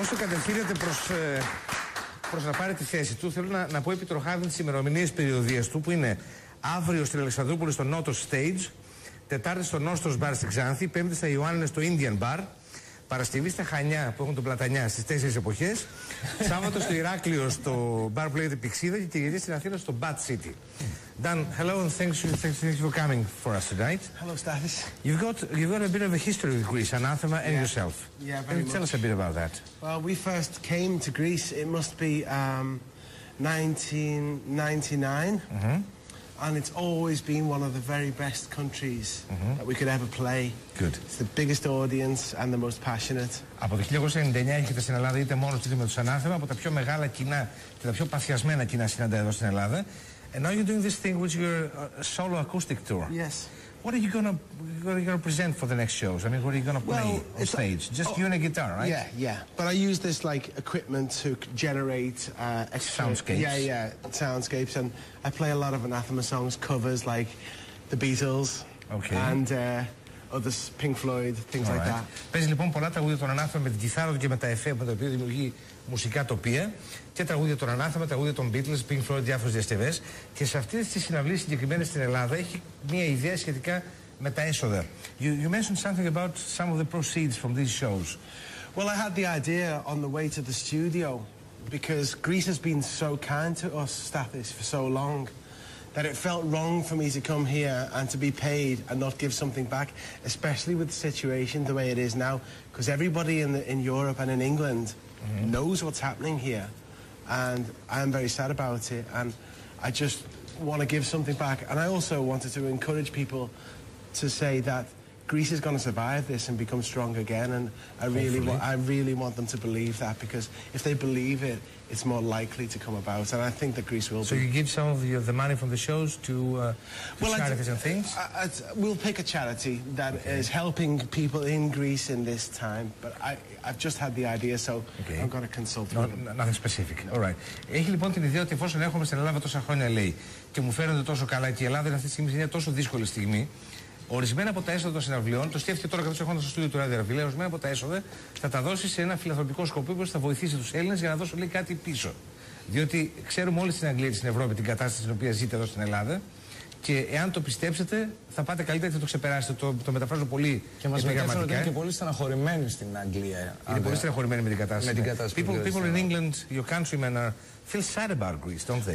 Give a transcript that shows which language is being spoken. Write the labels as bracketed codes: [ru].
[el] Όσο κατευθύνεται προς να πάρει τη θέση του, θέλω να πω επιτροχάδιν τις ημερομηνίες περιοδίας του, που είναι αύριο στην Αλεξανδρούπολη στο Νότο Stage, Τετάρτη στο Νόστρος Μπαρ στη Ξάνθη, Πέμπτη στα Ιωάννη στο Indian Bar, Παρασκευή στα Χανιά που έχουν τον Πλατανιά στις τέσσερις εποχές, Σάββατο στο Ηράκλειο στο Bar που λέγεται Πηξίδα και Κυριακή στην Αθήνα στο Bad City. [en] Dan, hello and thanks for coming for us tonight. Hello, Stathis. You've got a bit of a history with Greece, Anathema, and yourself. Yeah, very much. Tell us a bit about that. Well, we first came to Greece, it must be 1999, and it's always been one of the very best countries that we could ever play. Good. It's the biggest audience and the most passionate. [el] Από το 1999 έχετε στην Ελλάδα είτε μόνο είτε με τους Ανάθεμα, από τα πιο μεγάλα κοινά και τα πιο παθιασμένα κοινά συναντά εδώ στην Ελλάδα. [en] And now you're doing this thing with your solo acoustic tour. Yes. What are you gonna present for the next shows? I mean, what are you gonna play on stage? Just you and a guitar, right? Yeah, yeah. But I use this like equipment to generate extra soundscapes. Yeah, yeah, soundscapes. And I play a lot of Anathema songs, covers like the Beatles. Okay. And others, Pink Floyd, things all like right. that. [el] Παίζει λοιπόν πολλά τραγούδια των Ανάθεμα με την κιθάρα του και με τα εφέ με τα οποία δημιουργεί μουσικά τοπία και τραγούδια των Ανάθεμα, τραγούδια των Beatles, Pink Floyd, διάφορες διασκευές. Και σε αυτές τις συναυλίες συγκεκριμένες στην Ελλάδα έχει μια ιδέα σχετικά με τα έσοδα. [en] You mentioned something about some of the proceeds from these shows. Well, I had the idea on the way to the studio because Greece has been so kind to us, Stathis, for so long. That it felt wrong for me to come here and to be paid and not give something back, especially with the situation the way it is now, because everybody in Europe and in England knows what's happening here, and I'm very sad about it, and I just want to give something back. And I also wanted to encourage people to say that Greece is going to survive this and become strong again, and I really want them to believe that, because if they believe it, it's more likely to come about, and I think that Greece will So you give some of the money from the shows to charities and things? We'll pick a charity that is helping people in Greece in this time, but I've just had the idea, so I'm going to consult with them. Nothing specific. No. All right. [el] Έχει λοιπόν την ιδέα ότι εφόσον έχουμε στην Ελλάδα τόσα χρόνια, λέει, και μου φαίνονται τόσο καλά, και η Ελλάδα είναι αυτή τη στιγμή σε μια τόσο δύσκολη στιγμή, ορισμένα από τα έσοδα των συναυλιών, το σκέφτηκε τώρα καθώς έχοντας στο στούντιο του Radio Arvyla, ορισμένα από τα έσοδα θα τα δώσει σε ένα φιλανθρωπικό σκοπό που θα βοηθήσει τους Έλληνες για να δώσω λέει κάτι πίσω. Διότι ξέρουμε όλοι στην Αγγλία και στην Ευρώπη την κατάσταση στην οποία ζείτε εδώ στην Ελλάδα και εάν το πιστέψετε θα πάτε καλύτερα και θα το ξεπεράσετε. Το μεταφράζω πολύ και μας μεταφράζω ότι είναι και πολύ στεναχωρημένοι στην Αγγλία. Είναι πολύ στεναχωρημένοι με την κατάσταση. Με την κατάσταση [en] people in England, your countrymen are, feel sad about Greece, don't they?